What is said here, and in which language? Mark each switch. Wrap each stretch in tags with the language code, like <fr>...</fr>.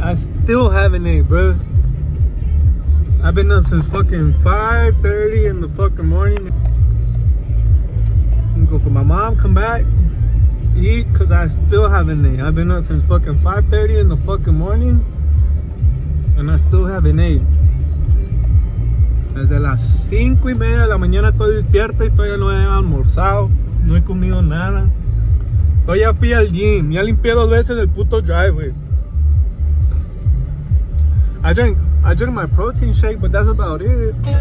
<en>I still haven't ate, bro. I've been up since fucking 5:30 in the fucking morning. I'm going for my mom. Come back. Eat, cause I still haven't ate. I've been up since fucking 5:30 in the fucking morning, and I still haven't ate.</en> <es>Desde las 5:30 de la mañana estoy despierto y todavía no he almorzado. No he comido nada. Todavía fui al gym. Ya limpié dos veces el puto driveway.</es> <en>I drink my protein shake, but that's about it.</en>